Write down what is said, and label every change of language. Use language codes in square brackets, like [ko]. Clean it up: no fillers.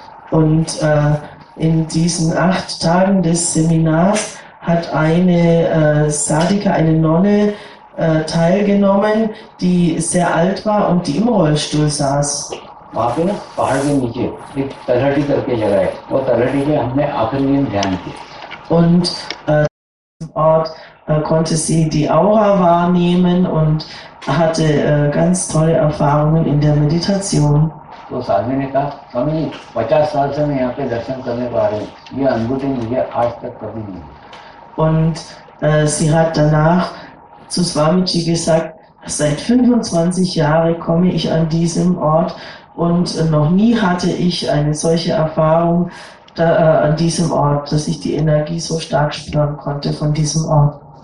[de] Und in diesen 8 Tagen des Seminars hat eine Sadhika, eine Nonne, teilgenommen, die sehr alt war und die im Rollstuhl saß. [hi] वहाँ पे ना पहाड़ के नीचे एक तलहटी करके जगह है, वो तलहटी पे हमने आखिरी दिन ध्यान किया और [de] konnte sie die Aura wahrnehmen und hatte ganz tolle Erfahrungen in der Meditation. [hi] तो साधु ने कहा, स्वामी जी 50 साल से मैं यहाँ पे दर्शन करने पा रही हूँ, ये अनुभूति मुझे आज तक कभी नहीं हुई। [de] Und sie hat danach zu Swamiji gesagt, seit 25 Jahren komme ich an diesem Ort und noch nie hatte ich eine solche Erfahrung da, an diesem Ort, dass ich die Energie so stark spüren konnte von diesem Ort.